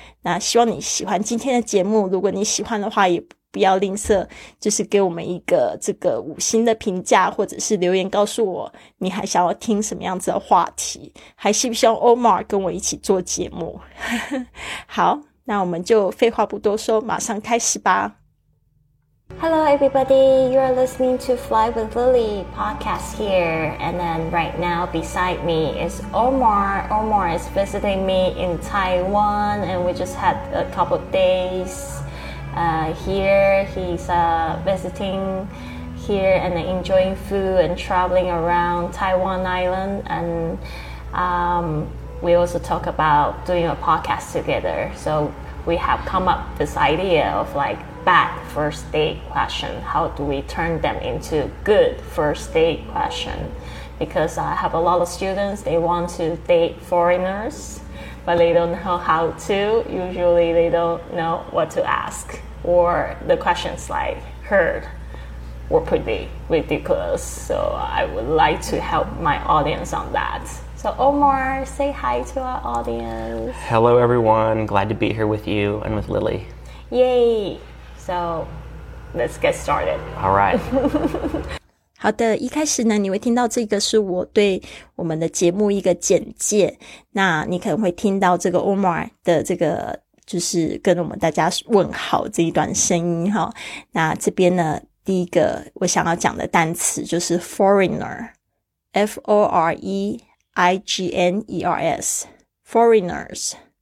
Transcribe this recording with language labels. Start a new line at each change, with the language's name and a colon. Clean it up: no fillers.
Chinese: 那希望你喜欢今天的节目，如果你喜欢的话也不要吝啬，就是给我们一个这个五星的评价，或者是留言告诉我你还想要听什么样子的话题，还希不希望 Omar 跟我一起做节目。好，那我们就废话不多说，马上开始吧。
English: Hello, everybody. You are listening to Fly with Lily podcast here. And then right now beside me is Omar. Omar is visiting me in Taiwan, and we just had a couple of days here. He's visiting here and enjoying food and traveling around Taiwan Island. And we also talk about doing a podcast together. So we have come up this idea of like,bad first date question, how do we turn them into good first date question? Because I have a lot of students, they want to date foreigners, but they don't know how to. Usually they don't know what to ask, or the questions like heard were pretty ridiculous. So I would like to help my audience on that. So Omar, say hi to our audience. Hello everyone, glad to be here with you and with Lily. Yay! So, let's get started. All right.
Chinese: 好的，一开始呢，你会听到这个是我对我们的节目一个简介。那你可能会听到这个 Omar 的这个，就是跟我们大家问好这一段声音哈。那这边呢，第一个我想要讲的单词就是 foreigner, F-O-R-E-I-G-N-E-R-S, foreigners.